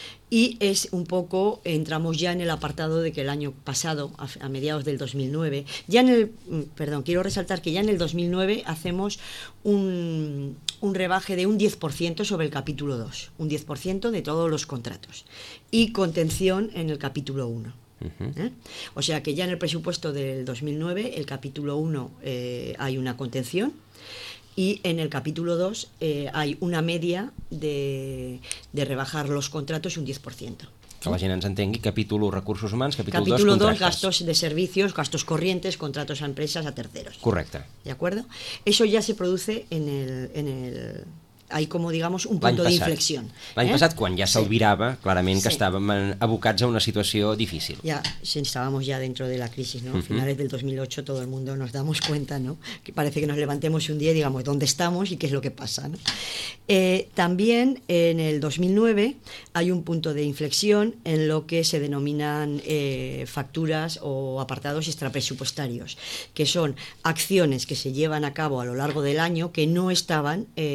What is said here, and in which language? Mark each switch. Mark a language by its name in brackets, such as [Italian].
[Spanish] Y es un poco, entramos ya en el apartado de que el año pasado, a mediados del 2009, quiero resaltar que ya en el 2009 hacemos un rebaje de un 10% sobre el capítulo 2, un 10% de todos los contratos, y contención en el capítulo 1. O sea que ya en el presupuesto del 2009, el capítulo 1 hay una contención, y en el capítulo 2 hay una media de rebajar los contratos un 10%. [Catalan] Que la gent ens entengui, capítol 1, recursos humans, capítol 2, contractes. [Spanish] Capítol 2, gastos de servicios, gastos corrientes, contratos a empresas, a terceros. [Catalan] Correcte. [Spanish] ¿De acuerdo? Eso ya se produce en el hay como, digamos, un punto de inflexión. [Catalan] L'any passat, quan ja s'albirava, clarament, que estàvem abocats a una situació difícil. [Spanish] Ya, estábamos ya dentro de la crisis, ¿no? A finales del 2008 todo el mundo nos damos cuenta, ¿no? Que parece que nos levantemos un día y digamos, ¿dónde estamos y qué es lo que pasa, ¿no? También en el 2009 hay un punto de inflexión en lo que se denominan facturas o apartados extrapresupuestarios, que son acciones que se llevan a cabo a lo largo del año que no estaban